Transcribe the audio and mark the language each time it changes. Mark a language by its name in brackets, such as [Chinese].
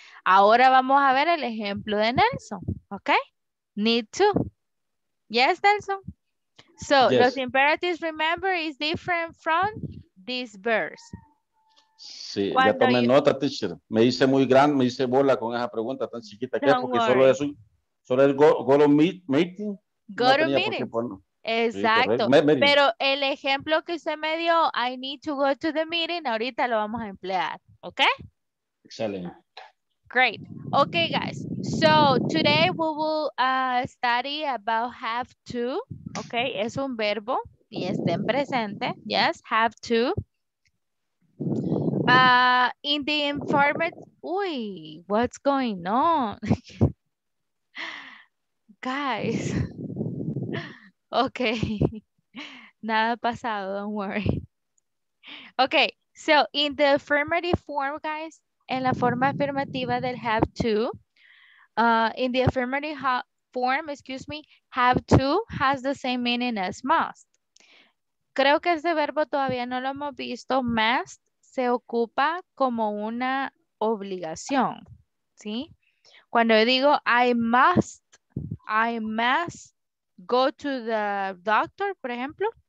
[Spanish] Ahora vamos a ver el ejemplo de Nelson, okay? [English] Need to. Yes, Nelson? So, yes. Los imperatives, remember, is different from this verse. [Spanish] Sí, cuando ya tomé nota, teacher. Me hice bola con esa pregunta tan chiquita. ¿Qué es? Porque solo es [English] go to meeting. Go to meeting. [Spanish] Exacto, sí, pero el ejemplo que usted me dio, [English] I need to go to the meeting, [Spanish] ahorita lo vamos a emplear, ¿ok? Excelente. [English] Great. Okay, guys, so today we will study about have to, ¿ok? [Spanish] Es un verbo y está en presente, yes, have to. [English] In the informative, uy, what's going on? Guys. Okay, [Spanish] nada pasado, [English] don't worry. Okay, so in the affirmative form, guys, [Spanish] en la forma afirmativa del have to, [English] in the affirmative form, have to has the same meaning as must. [Spanish] Creo que ese verbo todavía no lo hemos visto. Must se ocupa como una obligación, ¿sí? Cuando yo digo [English] I must go to the doctor, [Spanish] por ejemplo.